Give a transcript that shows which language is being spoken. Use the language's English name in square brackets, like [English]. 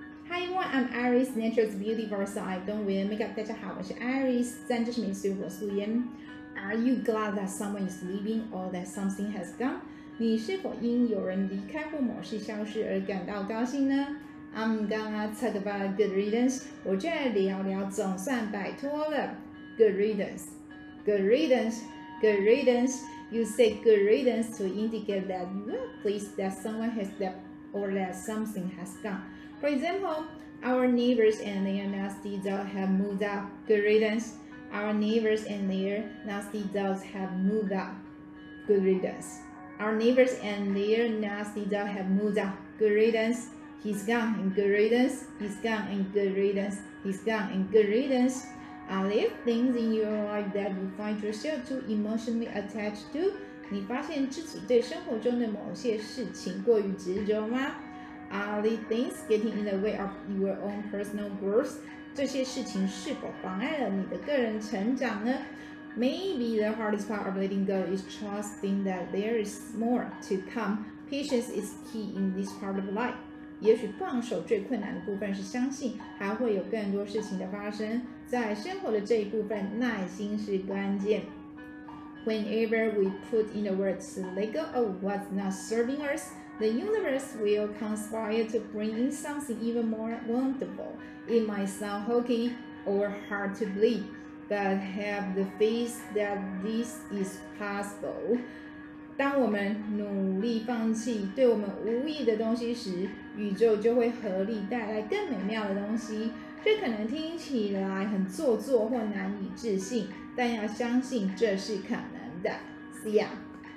[English] everyone, I'm Iris, Nature's Beauty Versailles, don't wear makeup. [Chinese] 大家好，我是 Iris， 站着是美素，我素颜。 [English] Are you glad that someone is leaving or that something has gone? [Chinese] 你是否因有人离开或某事消失而感到高兴呢？ [English] I'm gonna talk about good riddance. [Chinese] 我就来聊聊总算摆脱了。 [English] Good riddance, good riddance, good riddance. You say good riddance to indicate that you are pleased that someone has left or that something has gone. For example, our neighbors and their nasty dog have moved out. Good riddance. Our neighbors and their nasty dogs have moved out. Good riddance. Our neighbors and their nasty dog have moved out. Good riddance. He's gone. And good riddance. He's gone. And good riddance. He's gone. And good riddance. Are there things in your life that you find yourself too emotionally attached to? [Chinese] 你发现自己对生活中的某些事情过于执着吗？ [English] Are the things getting in the way of your own personal growth? [Chinese] 这些事情是否妨碍了你的个人成长呢？ [English] Maybe the hardest part of letting go is trusting that there is more to come. Patience is key in this part of life. [Chinese] 也许放手最困难的部分是相信还会有更多事情的发生。在生活的这一部分，耐心是关键。 [English] Whenever we put in the work to let go of what's not serving us,The universe will conspire to bring in something even more wonderful. It might sound hokey or hard to believe, but have the faith that this is possible. [Chinese] 当我们努力放弃对我们无意的东西时，宇宙就会合力带来更美妙的东西。这可能听起来很做作或难以置信，但要相信这是可能的。 [English] See ya!